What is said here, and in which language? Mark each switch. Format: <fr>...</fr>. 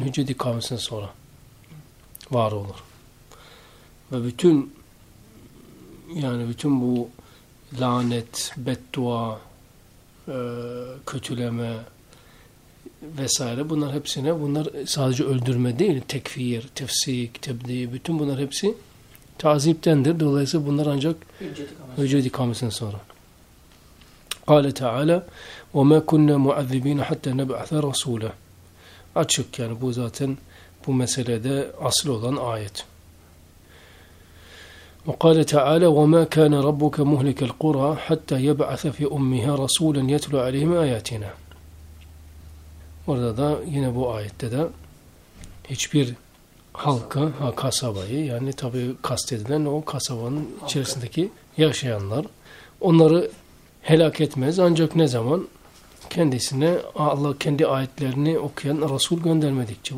<tr>Hüccet ikamesinden sonra var olur. Ve bütün, yani bütün bu lanet, beddua, kötüleme vesaire, bunlar hepsine, bunlar sadece öldürme değil, tekfir, tefsik, tebliğ, bütün bunlar hepsi tazibtendir. Dolayısıyla bunlar ancak hücret ikamesinden sonra.</tr> <ar>Kale Teala وَمَا كُنَّ مُعَذِّب۪ينَ حَتَّى نَبْعَثَ رَسُولَ.</ar> <tr>Açık, yani bu zaten bu meselede asıl olan ayet.</tr> <ar>وقال تعالى وما كان ربك مهلك القرى حتى يبعث في أمها رسولا يتلو عليهم آياتنا.</ar> <tr>Orada da yine bu ayette de hiçbir halka, kasabayı, yani tabi kastedilen o kasabanın içerisindeki yaşayanlar, onları helak etmez ancak ne zaman? Kendisine Allah kendi ayetlerini okuyan Resul göndermedikçe.</tr>